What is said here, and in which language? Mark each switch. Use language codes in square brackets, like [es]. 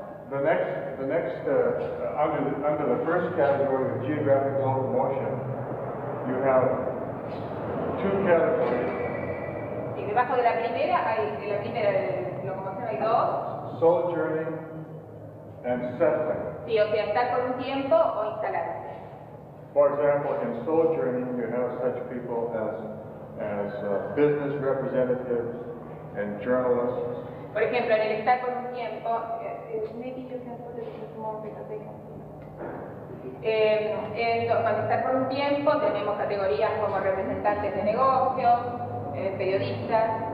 [en] Under the first category of geographic locomotion, you have two categories. [es] Y debajo de la primera hay de la primera locomoción hay dos. [en] Sojourning and settling. [es] Sí, o sea, estar por un tiempo o instalarse. [en] For example, in sojourning, you have such people as business representatives and journalists. [es] Por ejemplo, en el estar por un tiempo. Cuando está por un tiempo, tenemos categorías como representantes de negocios, periodistas,